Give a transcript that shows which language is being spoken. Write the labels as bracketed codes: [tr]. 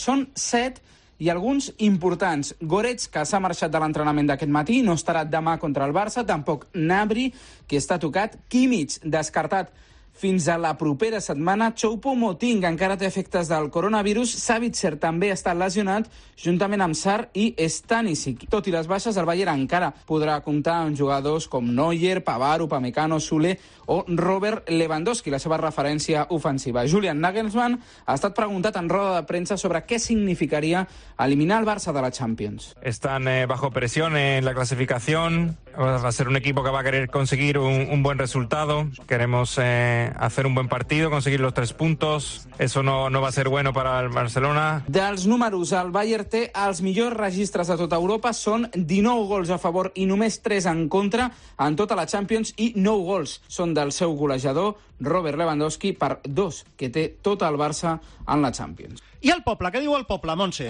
[ca] Són 7 i alguns importants. Goretzka s'ha marxat de l'entrenament d'aquest matí, no estarà demà contra el Barça, tampoc Gnabry, que està tocat, Kimmich, descartat fins a la propera setmana, Choupo-Moting encara té efectes del coronavirus, Savitzer també està lesionat, juntament amb Sar i Stanisic. Tot i les baixes, el Bayern encara podrà comptar amb jugadors com Neuer, Pavard, Upamecano, Süle o Robert Lewandowski, la seva referència ofensiva. Julian Nagelsmann ha estat preguntat en roda de premsa sobre què significaria eliminar el Barça de la Champions. [es] Están bajo presión en la clasificación, va a ser un equipo que va a querer conseguir un buen resultado, queremos hacer un buen partido, conseguir los tres puntos, eso no va a ser bueno para el Barcelona. [ca] Dels números, el Bayern té els millors registres de tota Europa, són 19 gols a favor i només 3 en contra en tota la Champions, i 9 gols són del seu golejador, Robert Lewandowski, per 2 que té tot el Barça en la Champions. I el poble, què diu el poble, Montse?